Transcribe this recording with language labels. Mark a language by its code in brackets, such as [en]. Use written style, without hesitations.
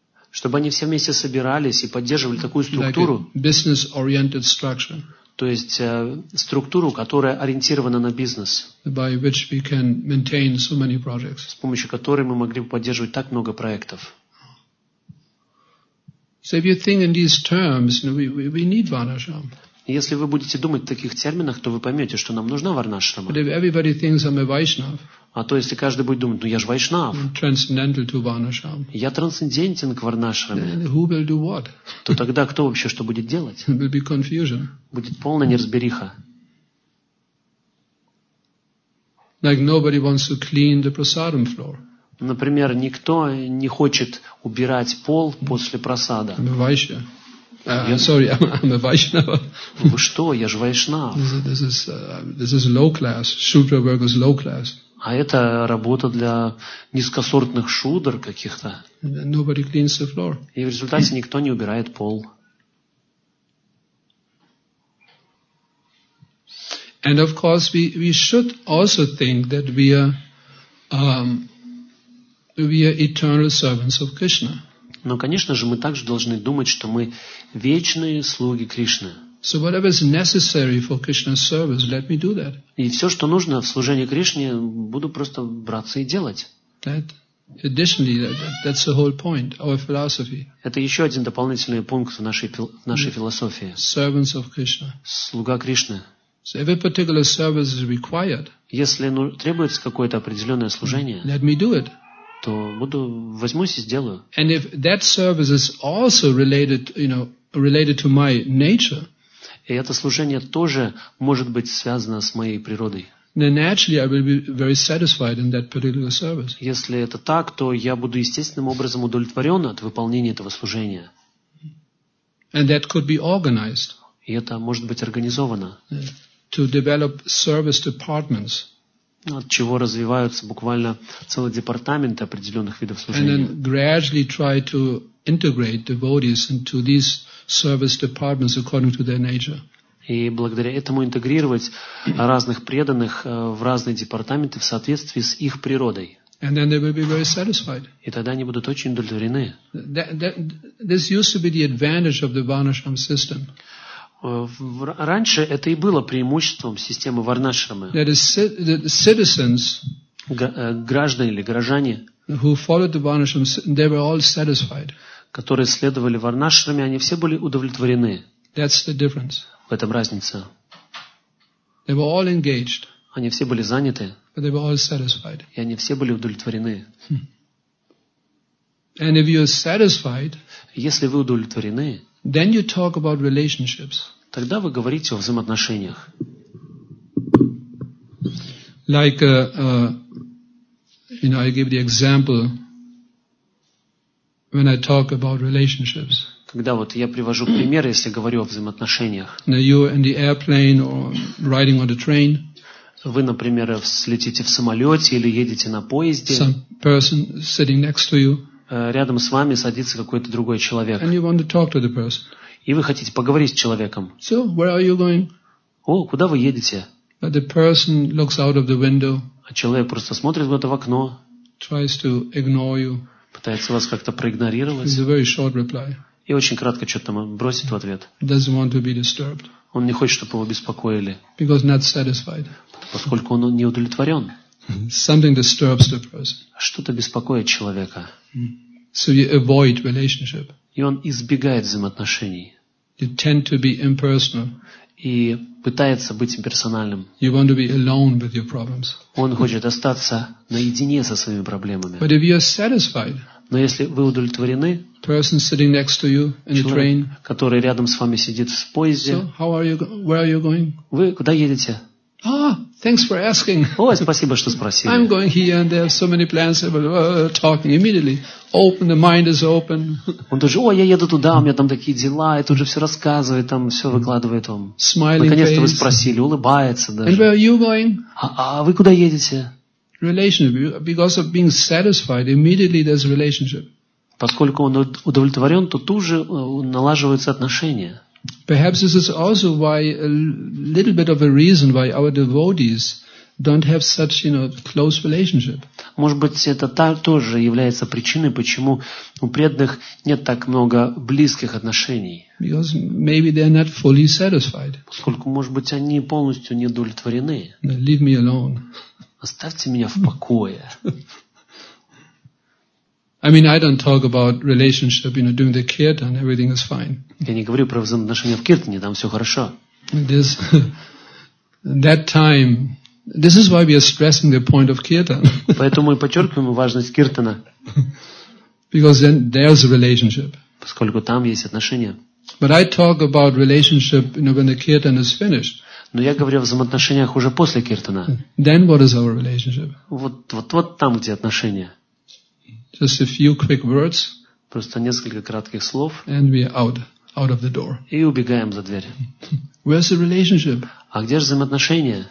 [ru] Чтобы они все вместе собирались и поддерживали такую структуру. [en] Like a business-oriented structure. [ru] То есть структуру, которая ориентирована на бизнес. [en] By which we can maintain so many projects. [ru] С помощью которой мы могли бы поддерживать так много проектов. [en] So if you think in these terms, we need Varnashram. [ru] Если вы будете думать в таких терминах, то вы поймете, что нам нужна Варнашрама. [en] But if everybody thinks I'm a Vaishnav. [ru] А то, если каждый будет думать, ну я же вайшнав. Я трансцендентен к варнашраме. То тогда кто вообще что будет делать? Будет полная неразбериха. Например, никто не хочет убирать пол после просада. Вы что? Я же вайшнав. [en] This is low class. Shudra work is low class. [ru] А это работа для низкосортных шудр каких-то. [en] Nobody cleans the floor. [ru] И в результате никто не убирает пол. [en] And of course we should also think that we are eternal servants of Krishna. [ru] Но, конечно же, мы также должны думать, что мы вечные слуги Кришны. [en] So whatever is necessary for Krishna's service, let me do that. [ru] И все, что нужно в служении Кришне, буду просто браться и делать. [en] That, additionally, that's the whole point of our philosophy. [ru] Это еще один дополнительный пункт нашей философии. [en] Servants of Krishna. [ru] Слуга Кришны. [en] So if a particular service is required, [ru] если требуется какое-то определенное служение, [en] let me do it. [ru] То буду возьмусь и сделаю. [en] And if that service is also related to my nature. [ru] И это служение тоже может быть связано с моей природой. [en] Then naturally I will be very satisfied in that particular service. [ru] Если это так, то я буду естественным образом удовлетворен от выполнения этого служения. [en] And that could be organized. [ru] И это может быть организовано. [en] To develop service departments. [ru] От чего развиваются буквально целые департаменты определенных видов служения. [en] And then gradually try to integrate devotees into these service departments according to their nature. [ru] И благодаря этому интегрировать разных преданных в разные департаменты в соответствии с их природой. [en] And then they will be very satisfied. [ru] И тогда они будут очень удовлетворены. [en] This used to be the advantage of the Varnashram system. [ru] Раньше это и было преимуществом системы Варнашрамы. [en] That is, the citizens, [ru] граждане или горожане, [en] who followed the Varnashram, they were all satisfied. [ru] Которые следовали варнашраме, они все были удовлетворены. [en] That's the difference. [ru] В этом разница. [en] They were all engaged. [ru] Они все были заняты. [en] But they were all satisfied. [ru] И они все были удовлетворены. [en] And if you're satisfied, [ru] если вы удовлетворены, [en] then you talk about relationships. [ru] Тогда вы говорите о взаимоотношениях. [en] Like, I give the example. When I talk about relationships, [ru] Когда вот я привожу пример, если говорю о взаимоотношениях. Вы, например, слетите в самолете или едете на поезде. [en] Some person sitting next to you. [ru] Рядом с вами садится какой-то другой человек. [en] And you want to talk to the person. [ru] И вы хотите поговорить с человеком. [en] So, where are you going? [ru] О, куда вы едете? [en] But the person looks out of the window. [ru] А человек просто смотрит в это в окно. [en] Tries to ignore you. [ru] Пытается вас как-то проигнорировать. [en] It's a very short reply. [ru] И очень кратко что-то там бросит в ответ. [en] Doesn't want to be disturbed. [ru] Он не хочет, чтобы его беспокоили. [en] Because not satisfied. [ru] Поскольку он не удовлетворен. [en] Something disturbs the person. [ru] Что-то беспокоит человека. [en] So you avoid relationship. [ru] И он избегает взаимоотношений. [en] You tend to be impersonal. [ru] И пытается быть имперсональным. [en] You want to be alone with your problems. [ru] Он хочет остаться наедине со своими проблемами. [en] But if you are satisfied, [ru] но если вы удовлетворены, [en] person sitting next to you in [ru] человек, [en] the train, [ru] который рядом с вами сидит в поезде, [en] so how are you, where are you going? [ru] Вы куда едете? [en] Ah, thanks for asking. [ru] О, спасибо, что спросили. [en] I'm going here and there. So many plans. Talking immediately. Open the mind is open. [ru] Он тоже, о, я еду туда, у меня там такие дела. И тут же все рассказывает, там все выкладывает вам. [en] Smiling face. [ru] Наконец-то вы спросили, улыбается даже. [en] And where are you going? [ru] А вы куда едете? [en] Relationship. Because of being satisfied, immediately there's a relationship. [ru] Поскольку он удовлетворен, то тут же налаживаются отношения. [en] Perhaps this is also why a little bit of a reason why our devotees don't have such, you know, close relationship. [ru] Может быть, это тоже является причиной, почему у преданных нет так много близких отношений. [en] Because maybe they are not fully satisfied. [ru] Поскольку, может быть, они полностью не удовлетворены. [en] Leave me alone. [ru] Оставьте меня в покое. [en] I mean, I don't talk about relationship, you know, during the kirtan, everything is fine. [ru] Я не говорю про взаимоотношения в киртане, там все хорошо. [en] This, that time, this is why we are stressing the point of kirtan. [ru] Поэтому мы подчеркиваем важность киртана. [en] Because then there's a relationship. [ru] Поскольку там есть отношения. [en] But I talk about relationship, you know, when the kirtan is finished. [ru] Но я говорю о взаимоотношениях уже после киртана. [en] Then what is our relationship? [ru] Вот там, где отношения. [en] Just a few quick words. [ru] Просто несколько кратких слов. [en] And we are out of the door. [ru] И убегаем за дверь. [en] Where's the relationship? [ru] А где же взаимоотношения?